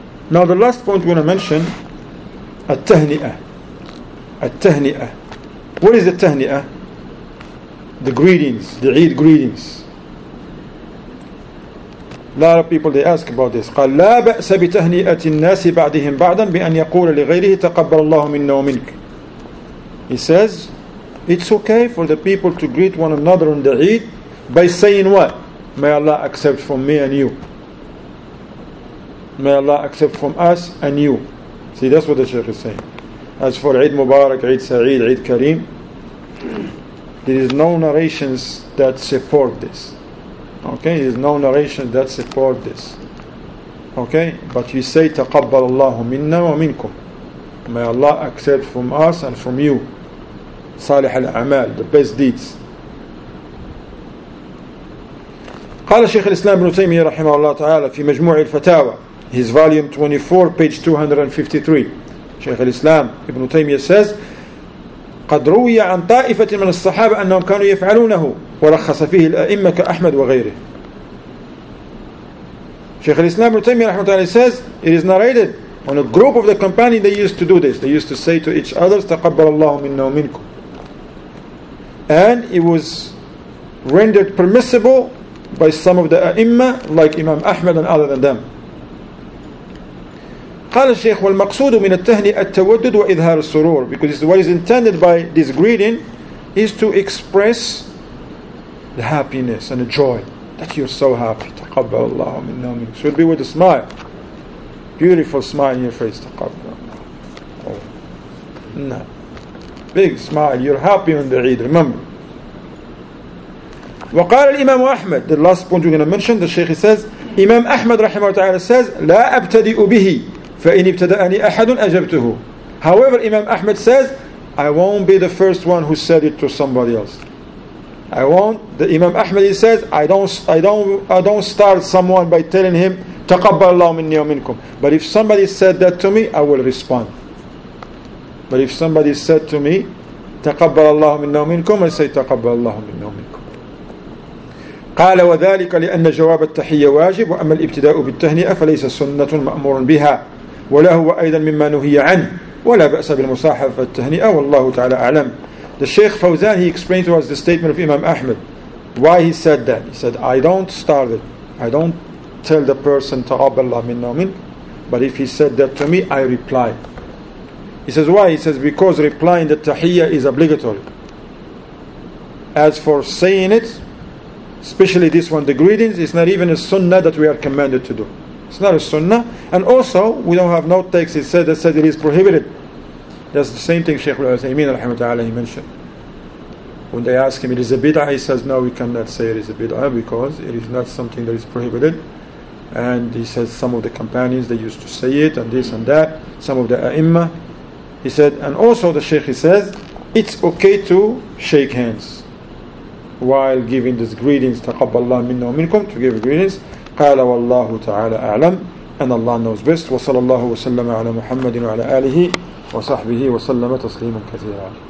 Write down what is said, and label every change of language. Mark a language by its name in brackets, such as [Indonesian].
[English] Now the last point we want to mention, التهنئة. التهنئة. What is التهنئة? The greetings, the Eid greetings. A lot of people, they ask about this. [Arabic] قال لا بأس بتهنئة الناس بعدهم بعدا بأن يقول لغيره تقبل الله منا ومنك. [English] He says, it's okay for the people to greet one another on the Eid by saying what? May Allah accept from me and you. May Allah accept from us and you. See, that's what the Shaykh is saying. As for Eid Mubarak, Eid Sa'id, Eid Kareem, there is no narrations that support this. Okay, there is no narration that support this. Okay, but you say [Arabic] تقبل الله منا ومنكم. [English] May Allah accept from us and from you. [Arabic] صالح الأعمال, [English] the best deeds. [Arabic] قال شيخ الإسلام بن تيمية رحمه الله تعالى في مجموع الفتاوى, [English] his volume 24, page 253. [Arabic] شيخ الإسلام ابن تيمية says, قد روي عن طائفة من الصحابة أنهم كانوا يفعلونه ورخص فيه الأئمة كأحمد وغيره. [English] شيخ الإسلام ابن تيمية رحمه الله says, it is narrated on a group of the companions, they used to do this. They used to say to each other, [Arabic] تقبل الله منا ومنكم. [English] And it was rendered permissible by some of the أئمة like Imam Ahmad and other than them. [Arabic] قال الشيخ والمقصود من التهنئة التودد وإظهار السرور, [English] because what is intended by this greeting is to express the happiness and the joy that you're so happy. [Arabic] تقبل الله منا ومنك, [English] should be with a smile, beautiful smile in your face. [Arabic] تقبل الله, oh. [English] Big smile, you're happy on the Eid, remember. [Arabic] وقال الإمام أحمد, [English] the last point we're going to mention, the Shaykh says, [Arabic] إمام أحمد رحمه الله تعالى says, لا أبتدئ به فإن ابتدأني أحد أجبته. [English] However, Imam Ahmed says, I won't be the first one who said it to somebody else. I won't. The Imam Ahmed, he says, I don't start someone by telling him [Arabic] تقبل الله مني ومنكم. [English] But if somebody said that to me, I will respond. But if somebody said to me [Arabic] تقبل الله مني ومنكم, [English] I say تقبل الله مني ومنكم. [Arabic] قال وذلك لأن جواب التحية واجب, وأما الابتداء بالتهنئة فليس سنة مأمور بها, ولا هو أيضا مما نهي عنه, ولا بأس بالمصاحبة التهنئة, والله تعالى أعلم. [English] The Sheikh Fawzan, he explained to us the statement of Imam Ahmed, why he said that. He said, I don't start it, I don't tell the person [Arabic] تقبل الله منا ومنك, [English] but if he said that to me, I reply. He says why? He says because replying the tahiyya is obligatory. As for saying it, especially this one, the greetings, it's not even a sunnah that we are commanded to do. It's not a sunnah. And also, we don't have no text that says it is prohibited. That's the same thing Shaykh Al-Uthaymeen rahimahu ta'ala, he mentioned. When they ask him, it is a bid'ah, he says, no, we cannot say it is a bid'ah because it is not something that is prohibited. And he says, some of the companions, they used to say it and this and that. Some of the a'imma. He said, and also the Shaykh, he says, it's okay to shake hands while giving these greetings, [Arabic] taqabbalah minna wa minkum, [English] to give greetings. [Arabic] قال والله تعالى أعلم أن الله [English] knows best, [Arabic] وصلى الله وسلم على محمد وعلى آله وصحبه وسلم تسليما كثيرا.